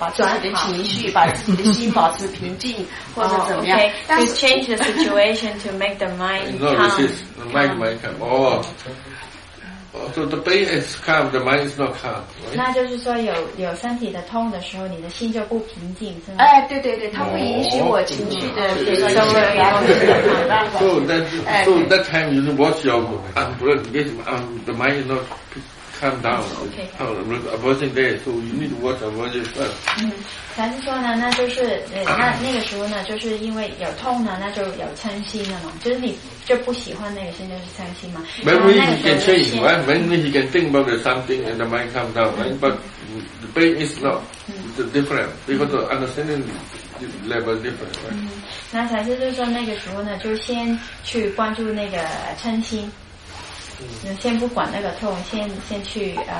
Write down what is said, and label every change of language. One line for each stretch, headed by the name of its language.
Chinese: 把自己的情绪，把自己的心保持平静，或者怎么样
English: ？To change the situation to make the mind calm. So the pain is calm, the mind is not calm, right?
Chinese: 那就是说有身体的痛的时候，你的心就不平静，是吗？哎，对对对，它会允许我情绪的
English: So that time you watch your the mind is not calm down. Okay. Aversion there, so you need to watch aversion first.
Chinese: 还是说呢，那就是那个时候呢，就是因为有痛呢，那就有嗔心了嘛，就是你就不喜欢那个心，就是嗔心嘛。
English: Maybe he can change, right? Maybe he can think about something and the mind calm down, right? But the pain is not the different because the understanding level different, right?
Chinese: 那才是就是说那个时候呢，就先去关注那个嗔心，先不管那个痛，先去